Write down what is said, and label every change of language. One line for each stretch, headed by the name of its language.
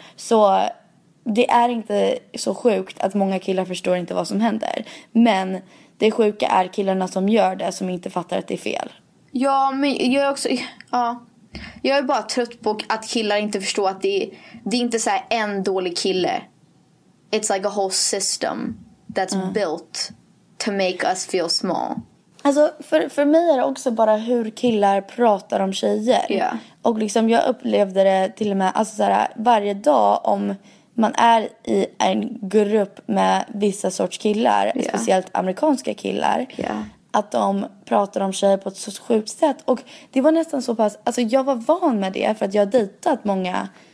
Swedish: Så det är inte så sjukt att många killar förstår inte vad som händer. Men det sjuka är killarna som gör det, som inte fattar att det är fel. Ja, men jag är också... Ja. Jag är bara trött på att killar inte förstår att det är inte så här en dålig kille.
English: It's like a whole system that's built to make us feel small.
Swedish: Alltså för mig är det också bara hur killar pratar om tjejer. Och liksom jag upplevde det till och med, alltså så här, varje dag om man är i en grupp med vissa sorts killar, speciellt amerikanska killar. Att de pratar om tjejer på ett så sjukt sätt. Och det var nästan så pass... Alltså jag var van med det för att jag har dejtat många